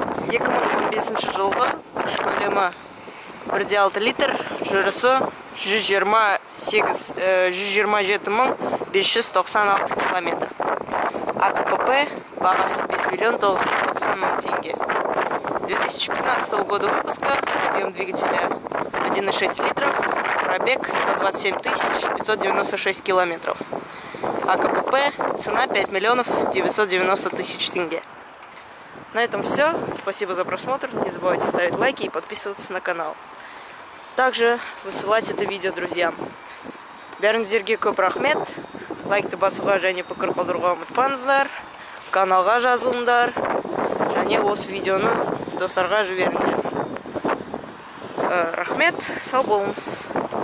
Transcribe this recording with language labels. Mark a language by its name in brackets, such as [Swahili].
[Kazakh] Екман 15 жылғы күш көлемі 1.6 литр, жүрісі 127596 километр. АКПП бағасы 5 990 000 тенге. [Russian] 2015 года выпуска, объем двигателя 1.6 литров, пробег 127596 километров. АКПП, цена 5 990 000 тенге. На этом все. Спасибо за просмотр. Не забывайте ставить лайки и подписываться на канал. Также высылать это видео друзьям. [Kazakh] Бернзерге көп рахмет. Лайкты басуға және пікір қалдыруға ұмытпаңыздар. Каналға жазылыңдар. Және осы видеоны достарға жіберіңдер. Рахмет, сау болыңыз.